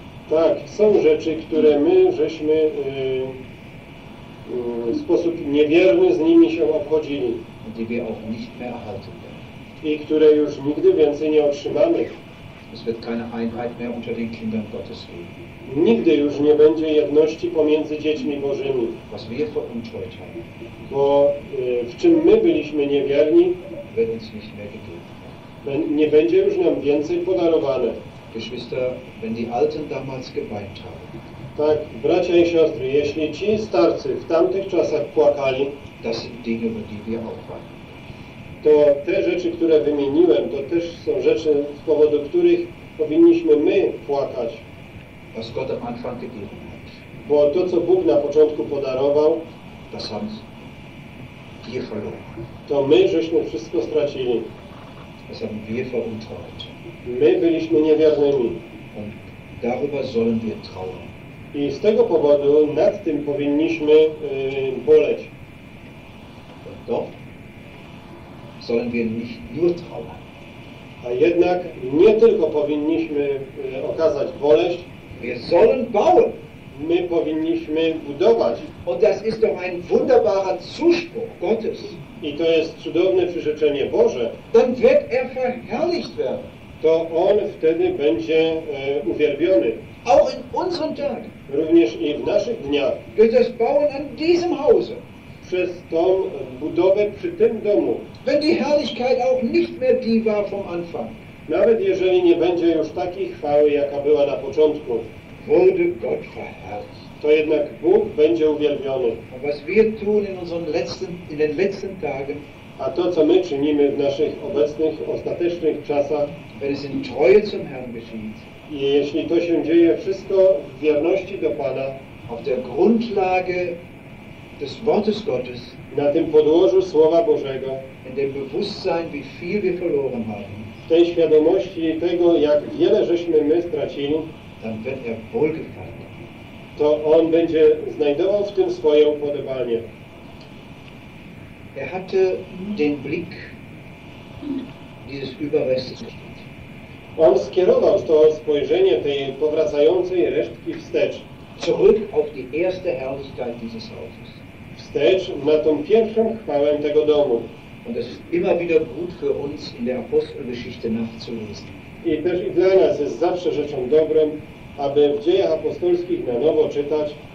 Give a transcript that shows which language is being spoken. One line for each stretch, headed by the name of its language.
Polish: Tak, są rzeczy, które my żeśmy w sposób niewierny z nimi się obchodzili.
German: Und die wir auch nicht mehr erhalten werden.
Polish: I które już nigdy więcej nie otrzymamy.
German: Es wird keine Einheit mehr unter den Kindern Gottes geben.
Polish: Nigdy już nie będzie jedności pomiędzy dziećmi Bożymi.
German: Was wir vor uns heute haben.
Polish: Bo w czym my byliśmy niewierni,
German: wird uns nicht mehr gegeben.
Polish: Nie będzie już nam więcej podarowane.
German: Geschwister, wenn die Alten damals geweint haben.
Polish: Tak, bracia i siostry, jeśli ci starcy w tamtych czasach płakali,
German: das sind Dinge, über die wir auch weinen.
Polish: To te rzeczy, które wymieniłem, to też są rzeczy, z powodu których powinniśmy my płakać.
German: Was Gott am Anfang gegeben hat.
Polish: Bo to, co Bóg na początku podarował,
German: das haben wir verloren.
Polish: To my żeśmy wszystko stracili.
German: Das haben wir veruntreut.
Polish: My byliśmy niewiernymi.
German: Und darüber sollen wir trauern.
Polish: I z tego powodu nad tym powinniśmy boleć.
German: To sollen wir nicht nur trauern.
Polish: A jednak nie tylko powinniśmy okazać boleść.
German: Wir sollen bauen.
Polish: My powinniśmy budować.
German: Und das ist doch ein wunderbarer Zuspruch Gottes.
Polish: I to jest cudowne przyrzeczenie Boże.
German: Dann wird er verherrlicht werden.
Polish: To on wtedy będzie uwielbiony.
German: Auch in unseren Tagen.
Polish: Również i w naszych dniach.
German: Wird das bauen an diesem Hause.
Polish: Przez tą budowę przy tym domu.
German: Wenn die Herrlichkeit auch nicht mehr die war vom Anfang.
Polish: Nawet jeżeli nie będzie już takiej chwały, jaka była na początku.
German: Wurde Gott verherrlicht.
Polish: To jednak Bóg będzie uwielbiony.
German: A was wir tun in unseren letzten, in den letzten Tagen.
Polish: A to, co my czynimy w naszych obecnych, ostatecznych czasach.
German: Wenn es in Treue zum Herrn geschieht.
Polish: Jeśli to się dzieje wszystko w wierności do Pana.
German: Auf der Grundlage des Wortes Gottes.
Polish: Na tym podłożu Słowa Bożego.
German: In dem Bewusstsein, wie viel wir verloren haben.
Polish: W tej świadomości tego, jak wiele żeśmy my stracili.
German: Dann wird er wohlgefallen.
Polish: To on będzie znajdował w tym swoje upodobanie.
German: Er hatte den Blick dieses Überrestes.
Polish: On skierował to spojrzenie tej powracającej resztki wstecz.
German: Zurück auf die erste Herrlichkeit dieses Hauses.
Polish: Wstecz na tą pierwszą chwałę tego domu.
German: Und es ist immer wieder gut für uns in der Apostelgeschichte nachzulesen.
Polish: I też dla nas jest zawsze rzeczą dobrą, aby w Dziejach Apostolskich na nowo czytać,